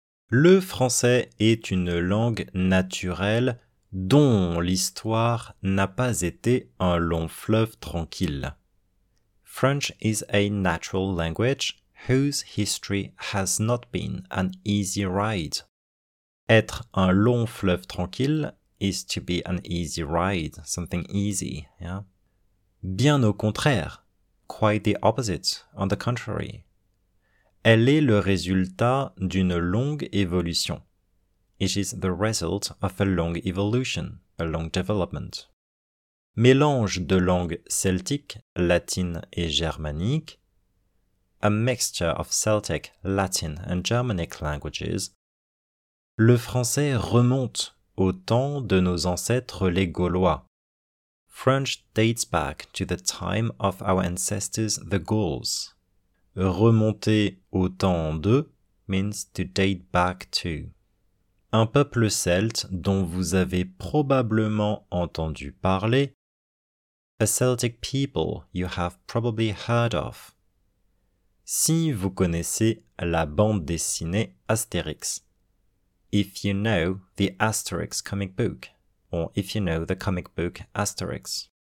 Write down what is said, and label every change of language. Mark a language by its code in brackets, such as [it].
[fr] Le français est une langue naturelle dont l'histoire n'a pas été un long fleuve tranquille. [en] French is a natural language whose history has not been an easy ride. [fr] Être un long fleuve tranquille [en] is to be an easy ride, something easy, yeah? [fr] Bien au contraire, [en] quite the opposite, on the contrary. [fr] Elle est le résultat d'une longue évolution. [en] It is the result of a long evolution, a long development. [fr] Mélange de langues celtiques, latines et germaniques. [en] A mixture of Celtic, Latin and Germanic languages. [fr] Le français remonte au temps de nos ancêtres les Gaulois. [en] French dates back to the time of our ancestors the Gauls. [fr] Remonter au temps de [en] means to date back to. [fr] Un peuple celte dont vous avez probablement entendu parler. [en] A Celtic people you have probably heard of. [fr] Si vous connaissez la bande dessinée Astérix. [en] If you know the Asterix comic book. Or if you know the comic book Asterix.